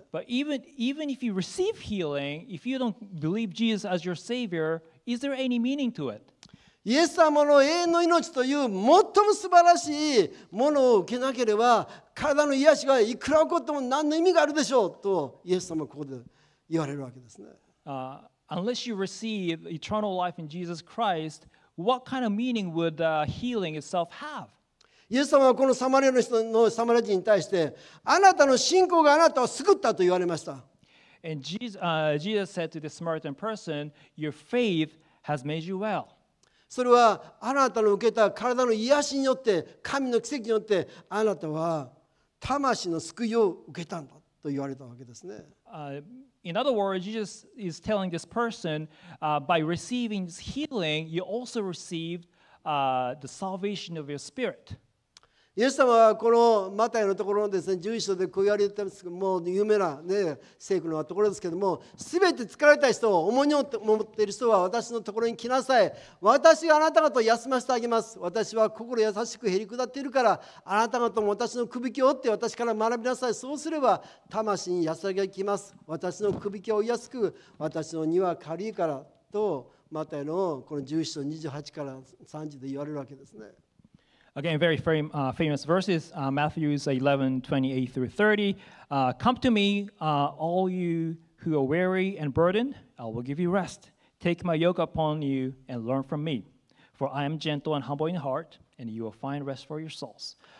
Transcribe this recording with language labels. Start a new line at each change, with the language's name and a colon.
English: But even if you receive healing, if you don't believe Jesus as your Savior, is there any meaning to it?
Japanese: イエス様の永遠の命という最も素晴らしいものを受けなければ体の癒しがいくら起こっても何の意味があるでしょうとイエス様はここで言われるわけですね。
English: Unless you receive eternal life in Jesus Christ,What kind of meaning would healing itself have?
Japanese: イエス様はこのサマリアの人のサマリア人に対して、あなたの信仰があなたを救ったと言われました。
English: And Jesus said to the Samaritan person, "Your faith has made you well."
Japanese: それはあなたの受けた体の癒しによって、神の奇跡によってあなたは魂の救いを受けたんだと言われたわけですね。
English: In other words, Jesus is telling this person, by receiving this healing, you also received the salvation of your spirit.
Japanese: イエス様はこのマタイのところのですね、11章でこう言われてますけども、有名な、ね、聖句のところですけども、すべて疲れた人、重荷を持っている人は私のところに来なさい。私があなた方を休ませてあげます。私は心優しく減り下っているから、あなた方も私の首輝きを負って私から学びなさい。そうすれば魂に安らぎが来ます。私の首輝きを負いやすく、私の荷は軽いからと、マタイのこの11章28から30で言われるわけですね。
English: Again, very famous verses, Matthew's 11:28 through 30. Come to me, all you who are weary and burdened, I will give you rest. Take my yoke upon you and learn from me. For I am gentle and humble in heart, and you will find rest for your souls.